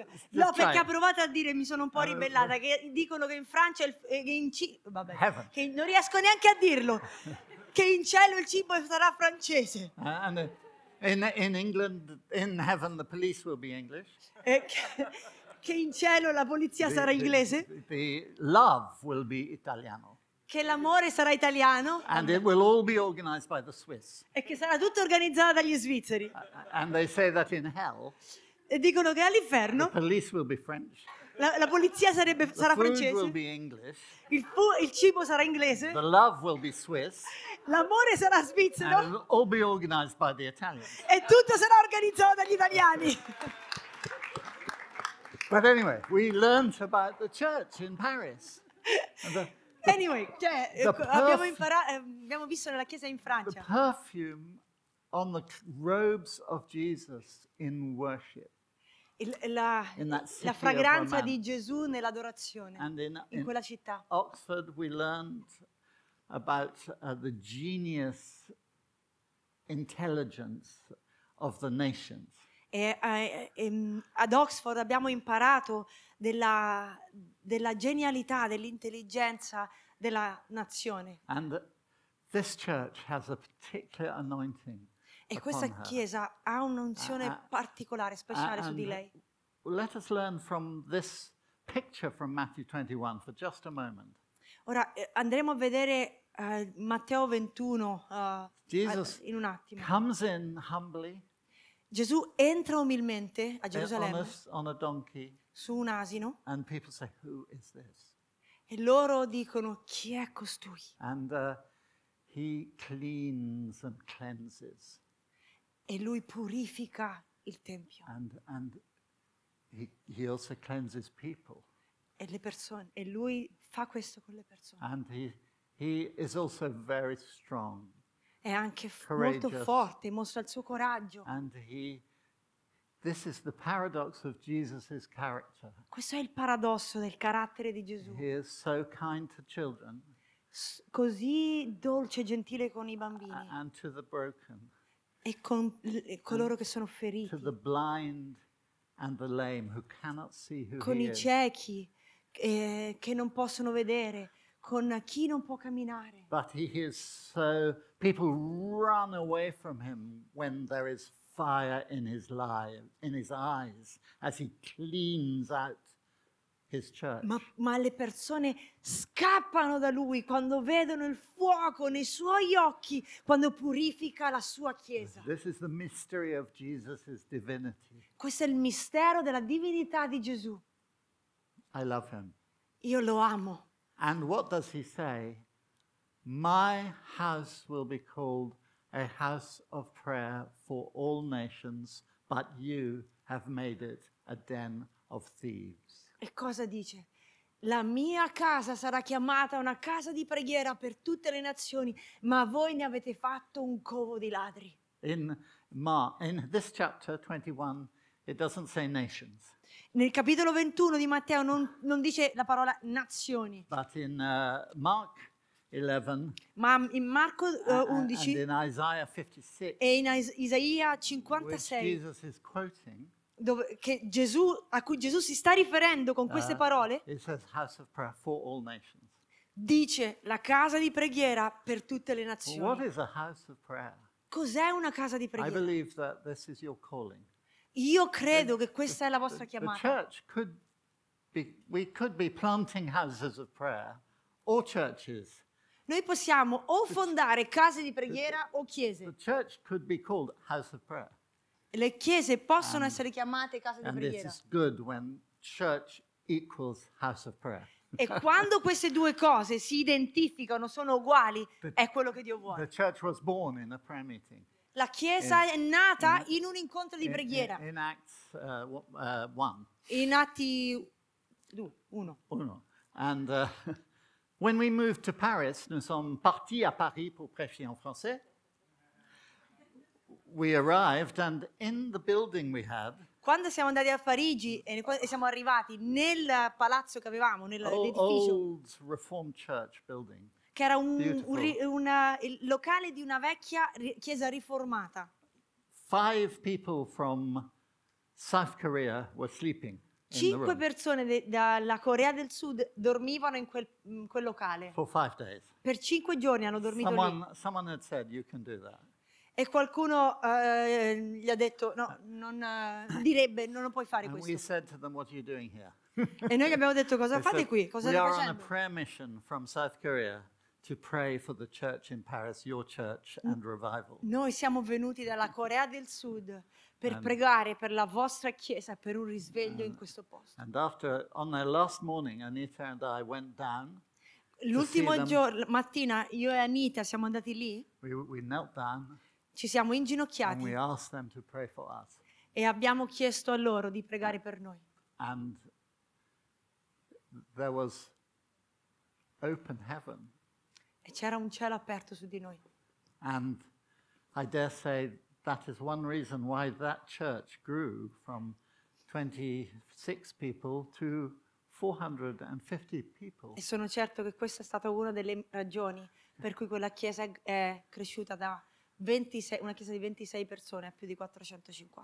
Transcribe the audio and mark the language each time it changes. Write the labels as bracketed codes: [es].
[it] No, perché ho provato a dire, mi sono un po' ribellata, che dicono che in Francia vabbè. [en] Heaven. [it] Che non riesco neanche a dirlo. Che in cielo il cibo sarà francese. [en] And in England, in heaven, the police will be English. [it] Che in cielo la polizia sarà inglese. [en] The love will be italiano. [it] Che l'amore sarà italiano. [en] And it will all be organized by the Swiss. [it] E che sarà tutto organizzato dagli svizzeri. [en] And they say that in hell. [it] E dicono che all'inferno. [en] The police will be French. [it] La polizia sarà francese. [en] Will be English, [it] il cibo sarà inglese. [en] The love will be Swiss, [it] l'amore sarà svizzero. [en] And all be organized by the Italians. [it] E tutto sarà organizzato dagli italiani. [en] But anyway, we learned about the church in Paris. [it] Anyway, abbiamo visto nella chiesa in Francia. [en] The perfume on the robes of Jesus in worship. [it] La fragranza di Gesù nell'adorazione in quella città. [en] Oxford, we learned about the genius intelligence of the nations. [it] E ad Oxford abbiamo imparato della genialità, dell'intelligenza della nazione. [en] And this church has a particular anointing. [it] E questa chiesa ha un'unzione particolare, speciale su di lei. [en] let us learn from this picture from Matthew 21 for just a moment. [it] Ora andremo a vedere Matteo 21 in un attimo. [en] Jesus comes in humbly. [it] Gesù entra umilmente a Gerusalemme [en] on a donkey, [it] su un asino, [en] and people say, "Who is this?" [it] E loro dicono, "Chi è costui?" [en] And he cleans and cleanses. [it] E lui purifica il tempio. [en] And he also cleanses people. [it] E le persone, e lui fa questo con le persone. [en] And he is also very strong. [it] È anche molto forte, mostra il suo coraggio. [en] This is the paradox of Jesus's character. [it] Questo è il paradosso del carattere di Gesù. [en] He is so kind to children. [it] Così dolce e gentile con i bambini. [en] And to the broken. [it] E con coloro che sono feriti. [en] To the blind and the lame who cannot see who he is. [it] Con i ciechi che non possono vedere. Con chi non può camminare. [en] But he is so, people run away from him when there is fire in his life, in his eyes, as he cleans out his church. [it] Ma le persone scappano da lui quando vedono il fuoco nei suoi occhi, quando purifica la sua chiesa. [en] This is the mystery of Jesus's divinity. [it] Questo è il mistero della divinità di Gesù. [en] I love him. [it] Io lo amo. [en] And what does he say? My house will be called a house of prayer for all nations, but you have made it a den of thieves. [it] E cosa dice? La mia casa sarà chiamata una casa di preghiera per tutte le nazioni, ma voi ne avete fatto un covo di ladri. [en] In this chapter 21, it doesn't say nations. [it] Nel capitolo 21 di Matteo non dice la parola nazioni. [en] But in Mark 11. [it] Ma in Marco 11. [en] And in Isaiah 56. [it] E in Isaia 56. [en] Which Jesus is quoting. [it] Dove, che Gesù, a cui Gesù si sta riferendo con queste parole. [en] It says house of prayer for all nations. [it] Dice la casa di preghiera per tutte le nazioni. [en] What is a house of prayer? [it] Cos'è una casa di preghiera? [en] I believe that this is your calling. [it] Io credo che questa è la vostra chiamata. [en] The church could be planting houses of prayer or churches. [it] Noi possiamo o fondare case di preghiera o chiese. [en] The church could be called house of prayer. [it] Le chiese possono essere chiamate case di preghiera. [en] And this is good when church equals house of prayer. [it] E quando queste due cose si identificano, sono uguali, è quello che Dio vuole. [en] The church was born in a prayer meeting. [it] La chiesa è nata in un incontro di preghiera. [en] In Acts 1. [it] In Atti 1. [en] And when we moved to Paris, [fr] nous sommes partis à Paris pour prêcher en français. [en] We arrived and in the building we had. [it] Quando siamo andati a Parigi e siamo arrivati nel palazzo che avevamo, nell'edificio. [en] Old Reformed Church building. [it] Che era il locale di una vecchia chiesa riformata. [en] Five people from South Korea were sleeping. [it] Cinque persone dalla Corea del Sud dormivano in quel locale. [en] For 5 days. [it] Per cinque giorni hanno dormito lì. [en] Someone had said you can do that. [it] E qualcuno gli ha detto no, non direbbe, non lo puoi fare [en] and [it] questo. [en] We said to them, what are you doing here? [it] E noi gli abbiamo detto cosa fate [en] said, [it] qui? Cosa [en] we are [it] facendo? [en] On a prayer mission from South Korea. To pray for the church in Paris, your church and revival. [it] Noi siamo venuti dalla Corea del Sud per pregare per la vostra chiesa per un risveglio in questo posto. [en] And after on their last morning, Anita and I went down. [it] L'ultimo giorno mattina io e Anita siamo andati lì. [en] We knelt down. [it] Ci siamo inginocchiati. [en] And we asked them to pray for us. [it] E abbiamo chiesto a loro di pregare per noi. [en] And there was open heaven. [it] E c'era un cielo aperto su di noi. [en] And I dare say that is one reason why that church grew from 26 people to 450 people. [it] E sono certo che questa è stata una delle ragioni per cui quella chiesa è cresciuta da 26, una chiesa di 26 persone a più di 450.